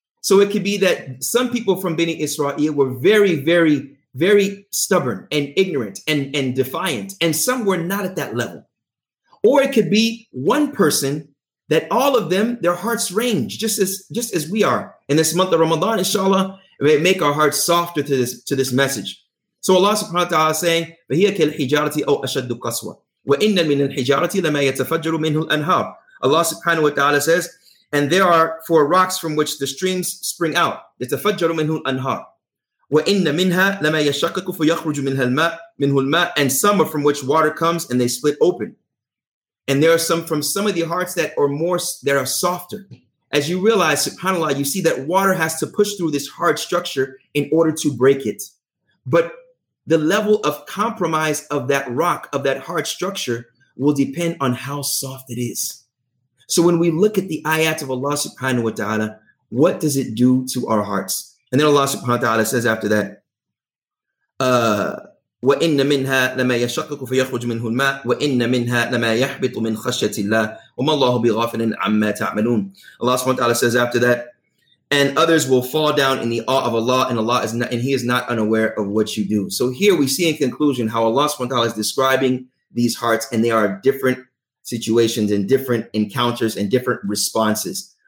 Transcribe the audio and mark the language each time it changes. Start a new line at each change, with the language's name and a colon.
English: So it could be that some people from Bani Israel were very, very, very stubborn and ignorant and defiant, and some were not at that level. Or it could be one person that all of them, their hearts range, just as we are in this month of Ramadan, inshallah, may make our hearts softer to this message. So Allah subhanahu wa ta'ala is saying,
Arabic: فَهِيَ كَالْحِجَارَةِ أَوْ أَشَدُّ قَسْوَةِ وَإِنَّ مِنَ الْحِجَارَةِ لَمَا يَتَفَجَّرُ مِنْهُ الْأَنْهَارِ.
English: Allah subhanahu wa ta'ala says, and there are four rocks from which the streams spring out.
Arabic: يَتَفَجَّرُ مِنْهُ الْأَنْهَارِ وَإِنَّ مِنْهَا لَمَا يَشَّقَّقُ فَيَخْرُجُ مِنْهُ الْمَاءِ.
English: And some are from which water comes and they split open. And there are some from some of the hearts that are more, that are softer. As you realize, subhanAllah, you see that water has to push through this hard structure in order to break it. But the level of compromise of that rock, of that hard structure, will depend on how soft it is. So when we look at the ayat of Allah subhanahu wa ta'ala, what does it do to our hearts? And then Allah subhanahu wa ta'ala says after that,
Arabic: وَإِنَّ مِنْهَا لَمَا يَشَقَّقُ فَيَخْرُجُ مِنْهُ الْمَاءِ وَإِنَّ مِنْهَا لَمَا يَحْبِطُ مِنْ خَشْيَةِ اللَّهِ وَمَا اللَّهُ بِغَافِلٍ عَمَّا تَعْمَلُونَ.
English: Allah subhanahu wa ta'ala says after that, and others will fall down in the awe of Allah, and Allah is not, and he is not unaware of what you do. So here we see in conclusion how Allah subhanahu wa ta'ala is describing these hearts, and they are different situations and different encounters and different responses.